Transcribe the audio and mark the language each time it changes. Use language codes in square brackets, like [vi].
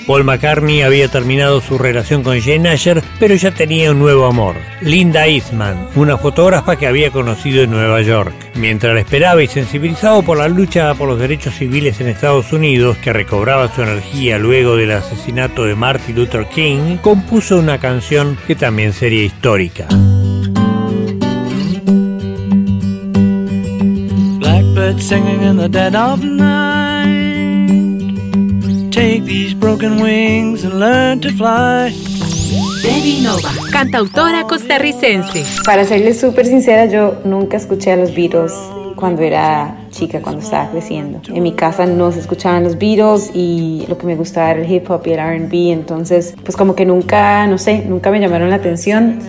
[es] Paul McCartney había terminado su relación con Jane Asher, pero ya tenía un nuevo amor, Linda Eastman, una fotógrafa que había conocido en Nueva York. Mientras la esperaba y sensibilizado por la lucha por los derechos civiles en Estados Unidos, que recobraba su energía luego del asesinato de Martin Luther King, compuso una canción que también sería histórica. [en] Blackbird singing in the dead of night. Take these broken wings and learn to fly. [es] Debbie Nova, cantautora costarricense. Para serles súper sincera, yo nunca escuché a los Beatles cuando era chica, cuando estaba creciendo. En mi casa no se escuchaban los Beatles y lo que me gustaba era el hip hop y el R&B, entonces pues como que nunca, no sé, nunca me llamaron la atención.